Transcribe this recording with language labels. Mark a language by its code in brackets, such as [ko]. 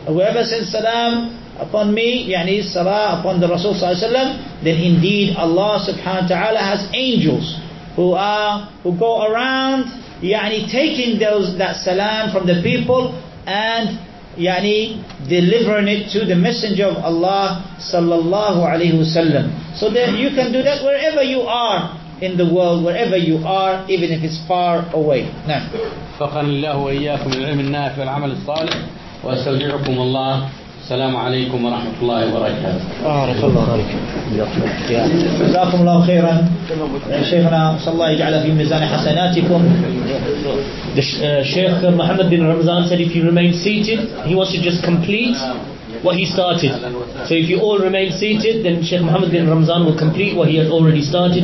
[en] Whoever sends salam upon me, yani salah upon the Rasul ﷺ, then indeed Allah subhanahu wa ta'ala has angels who go around yani taking that salam from the people and yani delivering it to the Messenger of Allah sallallahu alayhi wasallam. So then you can do that wherever you are in the world, wherever you are, even if it's far away. Now. [ar] فقن الله وإياكم العلم النافع والعمل الصالح وأستودعكم الله. السلام عليكم ورحمة الله وبركاته. بارك الله فيك. جزاكم الله خيرا. شيخنا صلى الله يجعل في ميزان حسناتكم. [en] The Sheikh Muhammad bin Ramzan said if you remain seated, he wants to just complete. what he started. So if you all remain seated, then Sheikh Muhammad bin Ramzan will complete what he has already started.